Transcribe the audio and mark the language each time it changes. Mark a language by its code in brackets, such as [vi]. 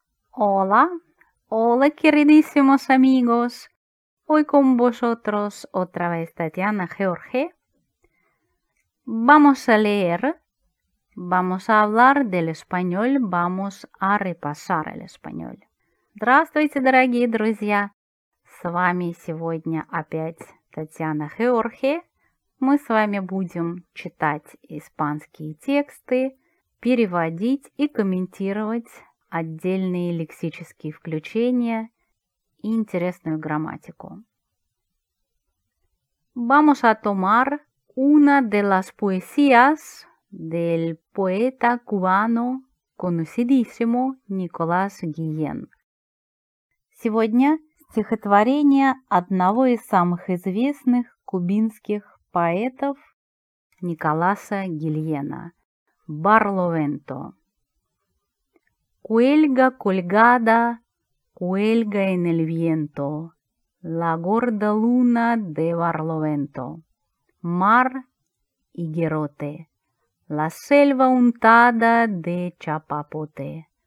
[es] Hola, hola queridísimos amigos, hoy con vosotros otra vez Tatiana George. Vamos a leer, vamos a hablar del español, vamos a repasar el español. [ru] Здравствуйте, дорогие друзья, с вами сегодня опять Татьяна George. Мы с вами будем читать испанские тексты, переводить и комментировать отдельные лексические включения и интересную грамматику. [es] Vamos a tomar una de las poesías del poeta cubano conocidísimo Nicolás Guillén. [ru] Сегодня стихотворение одного из самых известных кубинских поэтов Николаса Гильена «Барловенто». [es] Cuelga colgada, cuelga en el viento, la gorda luna de Barlovento. Mar y guerote, la selva untada de chapapote.